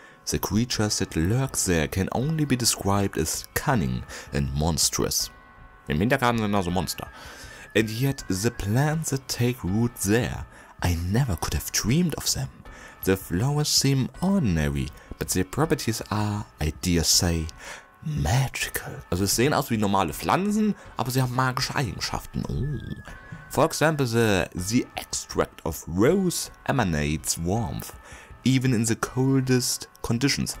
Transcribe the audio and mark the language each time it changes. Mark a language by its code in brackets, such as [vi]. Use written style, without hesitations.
[en] The creatures that lurk there can only be described as cunning and monstrous. [de] Im Hintergarten sind also Monster. [en] And yet the plants that take root there, I never could have dreamed of them. The flowers seem ordinary, but their properties are, I dare say, magical. [de] Also sie sehen aus wie normale Pflanzen, aber sie haben magische Eigenschaften. Oh. [en] For example, the extract of rose emanates warmth, even in the coldest conditions.